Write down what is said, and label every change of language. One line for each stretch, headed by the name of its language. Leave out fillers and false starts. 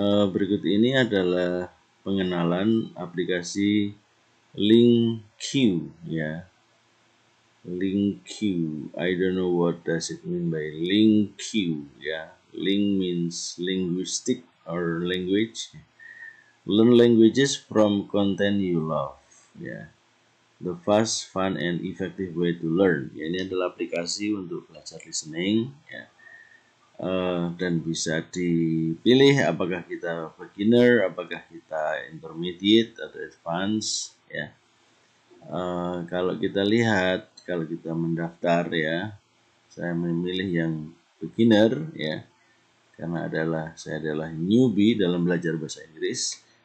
Indonesian: Berikut ini adalah pengenalan aplikasi LingQ. Ya, LingQ.
English: I don't know what does it mean by LingQ. Ya, Ling means linguistic or language. Learn languages from content you love. Ya. The fast, fun, and effective way to learn.
Indonesian: Ya, ini adalah aplikasi untuk belajar listening, ya. Dan bisa dipilih apakah kita beginner, apakah kita intermediate atau advanced, ya. Kalau kita lihat, kalau kita mendaftar, ya, saya memilih yang beginner, ya, karena adalah saya adalah newbie dalam belajar bahasa Inggris.